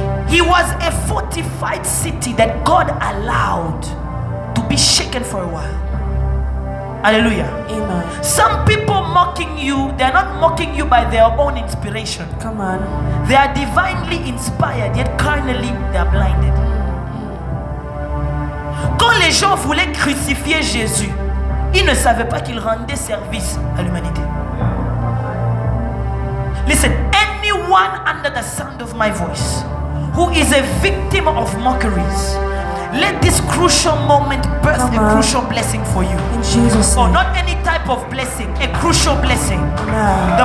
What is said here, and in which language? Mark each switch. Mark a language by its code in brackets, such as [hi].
[en] He was a fortified city that God allowed to be shaken for a while. Hallelujah. Amen. Some people mocking you, they are not mocking you by their own inspiration. Come on. They are divinely inspired, yet carnally they are blinded. [fr] Quand les gens voulaient crucifier Jésus, ils ne savaient pas qu'il rendait service à l'humanité. [en] Listen, anyone under the sound of my voice who is a victim of mockeries, let this crucial moment birth a crucial blessing for you. In Jesus' name. Or not any type of blessing, a crucial blessing. Amen.